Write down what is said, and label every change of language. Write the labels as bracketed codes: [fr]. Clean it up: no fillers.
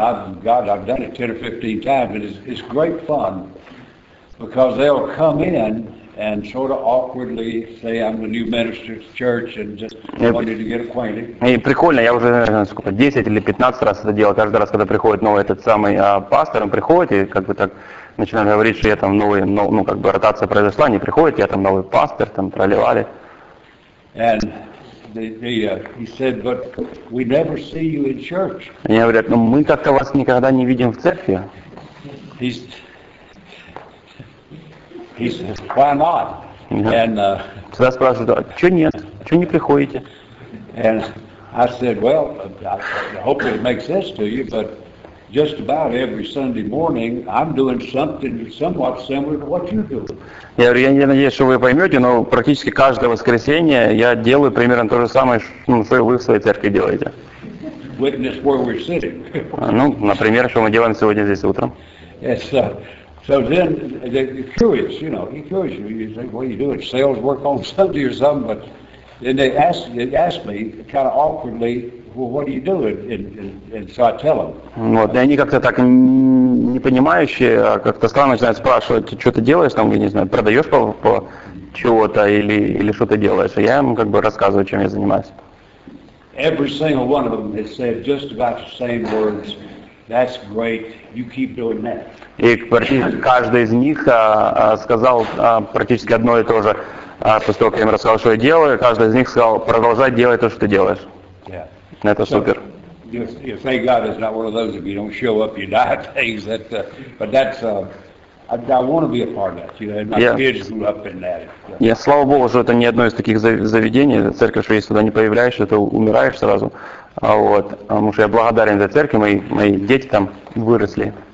[en] I've done it 10 or 15 times, and it's great fun because they'll come in. And sort of awkwardly say, "I'm the new minister of church," and just wanted to get acquainted. [ru] И прикольно, я уже сколько 10 или 15 раз это делал. Каждый раз, когда приходит новый этот самый пастор, он приходит и как бы так начинает говорить, что я там новый, ну как бы ротация произошла, не приходит, я там новый пастор, там проливали. [en] And he said, "But we never see you in church." [ru] Они говорят, ну мы как-то вас никогда не видим в церкви. [en] He says, "Why not?" [ru] And тогда спрашивают, чё нет, чё не приходите? [en] And I said, "Well, I hope it makes sense to you, but just about every Sunday morning, I'm doing something somewhat similar to what you do." [ru] Я говорю, я надеюсь, что вы поймете, но практически каждое воскресенье я делаю примерно то же самое, что вы в своей церкви делаете. [en] Witness where we're sitting. [ru] Ну, например, что мы делаем сегодня здесь утром? [en] Yes. So then, they're curious, you know, he's curious. You say, "What are you doing? Sales work on Sunday or something?" But then they ask me kind of awkwardly, "Well, what are you doing?" And so I tell them. [ru] Вот, и они как-то так не понимающие, как-то странно начинают спрашивать, что ты делаешь там, я не знаю, продаешь по чего-то или что ты делаешь. И я им как бы рассказываю, чем я занимаюсь. [en] Every single one of them has said just about the same words. That's great. You keep doing that. [ru] И практически каждый из них сказал практически одно и то же. После того, как я им рассказал, что я делаю, каждый из них сказал, продолжай делать то, что ты делаешь. [en] Yeah. [ru] Это супер. [en] Thank God it's not one of those, if you don't show up, you die things. I want to be a part of that. You know, my kids grew up in that. [ru] Я, слава Богу, что это не одно из таких заведений, церковь, что если туда не появляешься, то умираешь сразу. А вот, потому что я благодарен за церковь, мои дети там выросли.